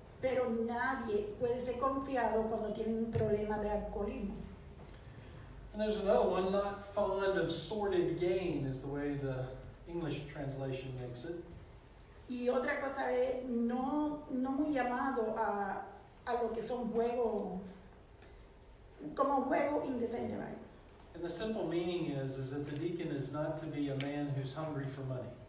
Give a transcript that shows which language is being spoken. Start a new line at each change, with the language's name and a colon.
Spanish: Pero nadie puede ser confiado cuando tiene un problema de alcoholismo.
English: And there's another one, not fond of sordid gain is the way the English translation makes it.
Spanish: Y otra cosa es no muy llamado a lo que son juego indecente,
English: right? And the simple meaning is that the deacon is not to be a man who's hungry for money.